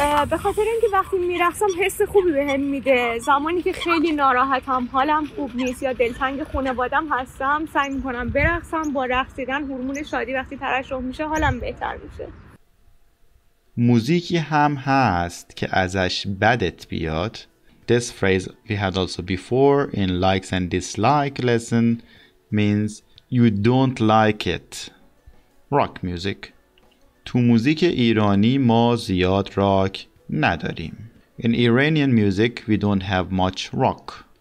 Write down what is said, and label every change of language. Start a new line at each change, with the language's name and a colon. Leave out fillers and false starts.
Persian: به خاطر اینکه وقتی میرقصم حس خوبی بهم میده. زمانی که خیلی ناراحتم، حالم خوب نیست یا دلتنگ خانواده‌ام هستم، سعی میکنم برقصم. با رقصیدن هورمون شادی وقتی ترشح میشه حالم بهتر میشه. موزیکی هم هست که ازش بدت بیاد.
English: This phrase we had also before in likes and dislike lesson means you don't like it. Rock music.
Persian: تو موزیک ایرانی ما زیاد راک نداریم.
English: In Iranian music we don't have much rock.